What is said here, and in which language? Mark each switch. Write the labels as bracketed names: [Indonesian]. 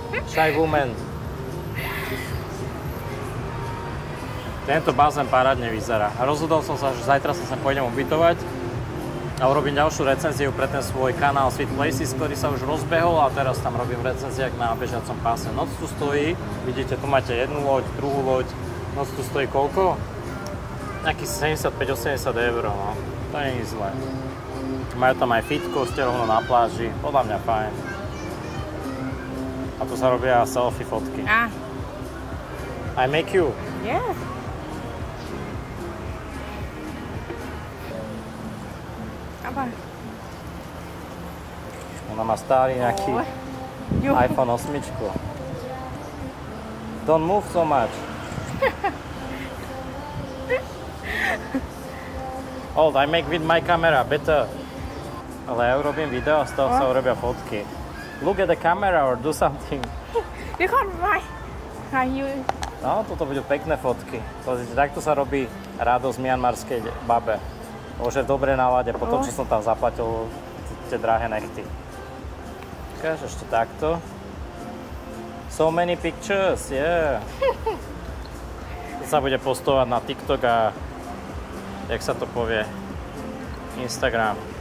[English] Shy woman. [Slovak] Tento bazén parádne vyzerá. Rozhodol som sa, že zajtra sa sem pôjdem ubytovať a urobím ďalšiu recenziu pre ten svoj kanál Sweet Places, ktorý sa už rozbehol a teraz tam robím recenzie na bežiacom páse. Noc tu stojí, vidíte, tu máte jednu loď, druhú loď. Noc tu stojí koľko? Nejaký 75-80 eur, no. To nie je zle. Majú tam aj fitko, ste rovno na pláži, podľa mňa fajn. A tu sa robia selfie fotky. Ah. [English] I make you? Yeah. [Slovak] Ona má starý nejaký iPhone 8. [English] Don't move so much. Hold, I make with my camera, better. [Slovak] Ale ja urobím video, z toho sa urobia fotky. [English] Look at the camera or do something. You can't write. [Slovak] No, toto budú pekné fotky. Pozrite, takto sa robí radosť mianmarskej babe. Bože, v dobrej nálade, po tom, čo som tam zaplatil tie drahé nechty. Ukáž ešte takto. [English] So many pictures, yeah. [Slovak] To sa bude postovať na TikTok a jak sa to povie? Instagram.